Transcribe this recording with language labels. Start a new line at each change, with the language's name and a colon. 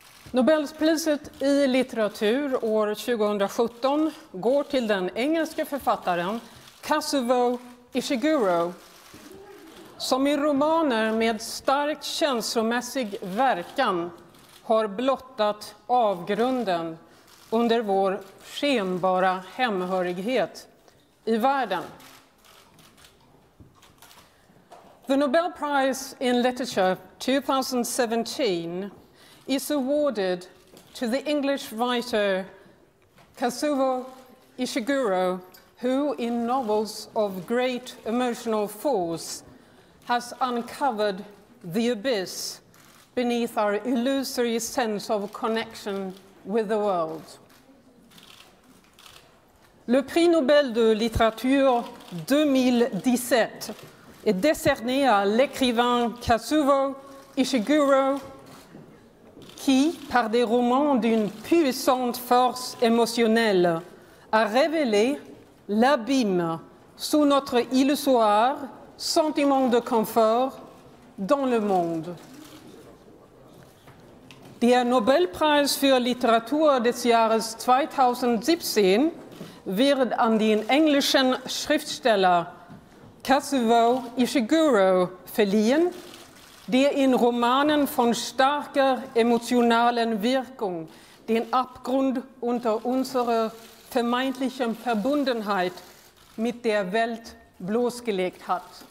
Swedish: Nobelpriset i litteratur år 2017 går till den engelska författaren Kazuo Ishiguro, som i romaner med stark känslomässig verkan har blottat avgrunden under vår skenbara hemhörighet i världen.
English: The Nobel Prize in Literature 2017 is awarded to the English writer Kazuo Ishiguro, who in novels of great emotional force has uncovered the abyss beneath our illusory sense of connection with the world.
French: Le prix Nobel de littérature 2017 est décerné à l'écrivain Kazuo Ishiguro, qui, par des romans d'une puissante force émotionnelle, a révélé l'abîme sous notre illusoire sentiment de confort dans le monde.
German: Der Nobelpreis für Literatur des Jahres 2017 wird an den englischen Schriftsteller Kazuo Ishiguro verliehen, der in Romanen von starker emotionalen Wirkung den Abgrund unter unserer vermeintlichen Verbundenheit mit der Welt bloßgelegt hat.